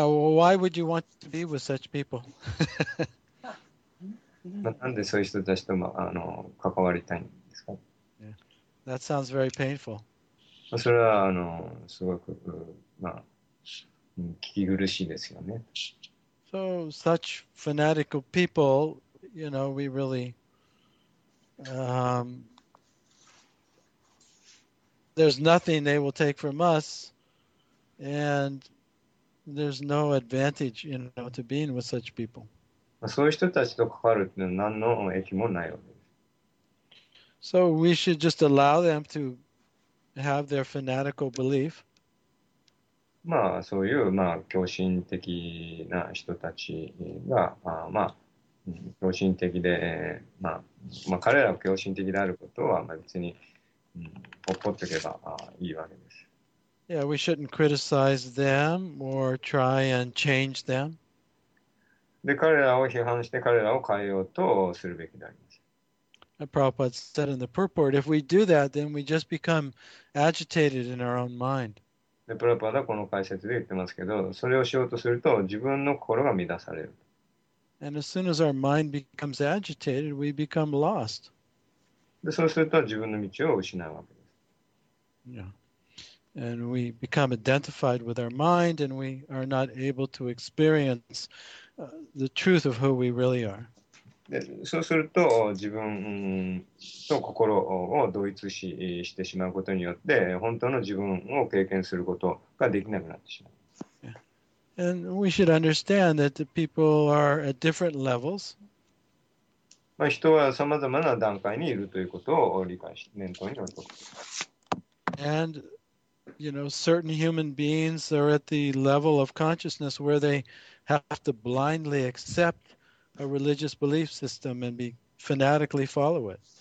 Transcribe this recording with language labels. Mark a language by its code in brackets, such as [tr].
[en] Well, why would you want to be with such people? [ja] なんでそういう人たちと関わりたいんですか? [en] Yeah. That sounds very painful. [ja] それはすごく、まあ、聞き苦しいですよね。 [en] So, such fanatical people, you know, we really, there's nothing they will take from us, and there's no advantage, you know, to being with such people. [ja] そういう人たちと関わるっていうのは何の益もないわけです。 [en] So, we should just allow them to. Have their fanatical belief. [ja] まあそういうまあ狂信的な人たちがまあ、まあ、狂信的で、まあ、まあ彼らが狂信的であることは別に、ほっぽっておけばいいわけです。 [en] Yeah, we shouldn't criticize them or try and change them. [ja] で彼らを批判して彼らを変えようとするべきであります。 [en] Prabhupada said in the purport, if we do that, then we just become agitated in our own mind. [ja] で、プラパダはこの解説で言ってますけど、それをしようとすると自分の心が乱される。 [en] And as soon as our mind becomes agitated, we become lost. [ja] で、そうすると自分の道を失うわけです。 [en] Yeah. And we become identified with our mind and we are not able to experience the truth of who we really are. [ja] でそうすると自分と心を同一視してしまうことによって本当の自分を経験することができなくなってしまう。 [en] Yeah. And we should understand that the people are at different levels. [ja] まあ人はさまざまな段階にいるということを理解し念頭に置いておく。 [en] And you know, certain human beings are at the level of consciousness where they have to blindly accept. A religious belief system and be fanatically follow it.